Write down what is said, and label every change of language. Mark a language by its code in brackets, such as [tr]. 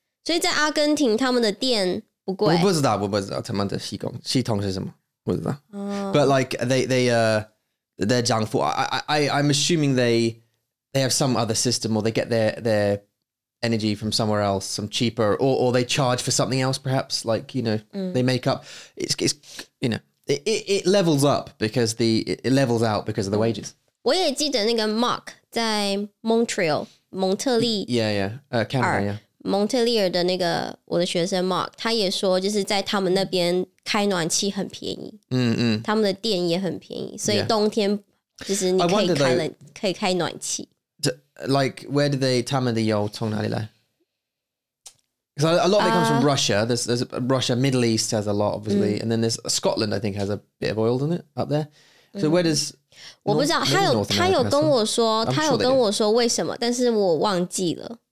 [zh] 所以在阿根廷他们的店不贵。我不知道他们的系统是什么，不知道。 [en] But like they're jiang fu. I'm assuming they have some other system or they get their energy from somewhere else, some cheaper, or they charge for something else perhaps, like, you know, they make up. It's you know. It levels up because it levels out because of the wages. [zh] 我也记得那个 Mark 在 Montreal 蒙特利 [en] Canada [zh] 蒙特利尔的那个我的学生 Mark 他也说就是在他们那边开暖气很便宜，嗯嗯，他们的电也很便宜，所以冬天就是你可以开冷、可以开暖气。 [en] Like where do they [zh] 他们的油从哪里来？ [en] Because a lot of it comes from Russia. There's Russia, Middle East has a lot, obviously,、and then there's Scotland. I think has a bit of oil, doesn't it, up there? So where does [zh] 我不知道，他有跟我说，他有跟我说为什么，但是我忘记了。